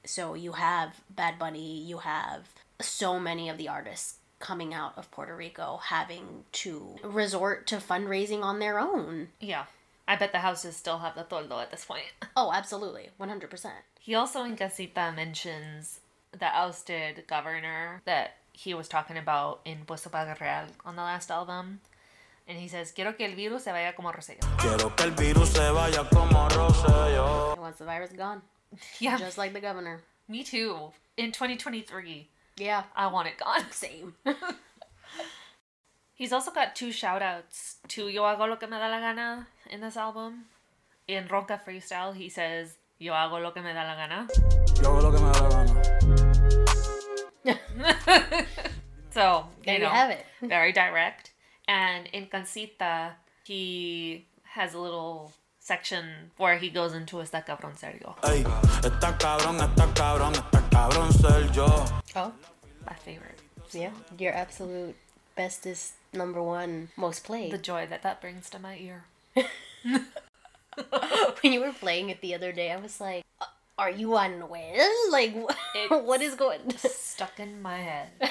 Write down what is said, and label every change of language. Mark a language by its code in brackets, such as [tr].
[en] So you have Bad Bunny, you have so many of the artists coming out of Puerto Rico having to resort to fundraising on their own. Yeah. I bet the houses still have the toldo at this point. Oh, absolutely. 100%. He also, in Casita, mentions the ousted governor that he was talking about in Puesto Padre Real on the last album. And he says, [es] quiero que el virus se vaya como Rosello. Quiero que el virus se vaya como Rosello. [en] He wants the virus gone. Yeah. Just like the governor. Me too. In 2023. Yeah. I want it gone. Same. He's also got two shout-outs to Yo Hago Lo Que Me Da La Gana in this album. In Ronca Freestyle, he says, [es] yo hago lo que me da la gana. Yo hago lo que me da la gana. [en] So, you have it. Very direct. And in Cancita, he has a little section where he goes into [es] esta cabrón ser yo. Hey, esta cabrón, esta cabrón, esta cabrón ser yo. [en] Oh, my favorite. Yeah, your absolute bestest, number one, most played. The joy that brings to my ear. When you were playing it the other day, I was like, are you on Wiz? Like, what is going stuck in my head.